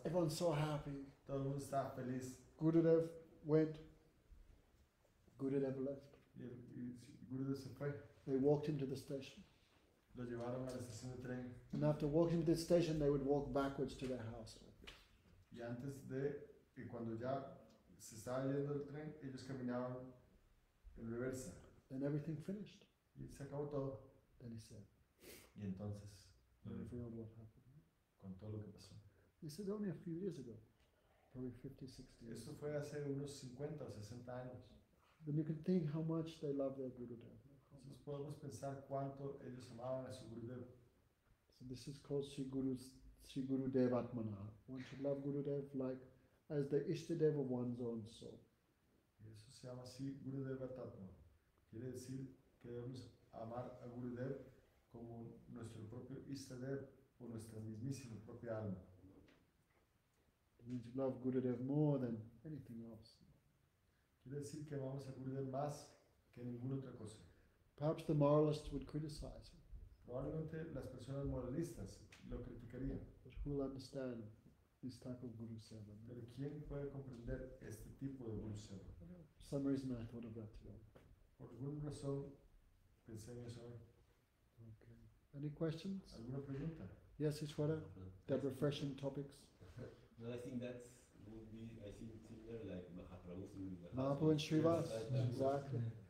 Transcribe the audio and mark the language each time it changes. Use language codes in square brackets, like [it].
[en] Everyone so happy. [es] Todo el mundo estaba feliz. [en] Gurudev went. Gurudev left. [es] Gurudev se fue. [en] They walked him to the station. [es] Lo llevaron a la estación de tren. [en] And after walking to the station, they would walk backwards to their house. [es] Y antes de, y cuando ya se estaba yendo el tren, ellos caminaban en reversa. [en] Then everything finished. [es] Y se acabó todo. [en] And he said, [es] y entonces, [en] revealed what happened. [es] Con todo lo que pasó. [en] He said only a few years ago, probably 50, 60 years. [es] Esto fue hace unos 50 o 60 años. [en] Then you can think how much they love their Gurudev. [es] Entonces podemos pensar cuánto ellos amaban a su Gurudev. [en] So this is called Sri Gurudev Atmanaha. One should love Gurudev like as the Ishtadev of one's own soul. [es] Y eso se llama Sri Gurudev Atmanaha. Quiere decir que debemos amar a Gurudev como nuestro propio Ishtadev o nuestra mismísima propia alma. [en] It means you love Gurudev more than anything else. [es] Quiere decir que amamos a Gurudev más que ninguna otra cosa. [en] Perhaps the moralists would criticize him. [es] Probablemente las personas moralistas lo criticarían. [en] But who will understand this type of Guru Seva? [es] Pero ¿quién puede comprender este tipo de Guru Seva? [en] For some reason I thought of that today. [es] Por alguna razón pensé en eso hoy. [en] Okay. Any questions? [es] ¿Alguna pregunta? [en] Yes, Ishwara. That refreshing topics. No, I think that would be, I think, similar like Mahaprabhu. Mahaprabhu and Srivas, exactly.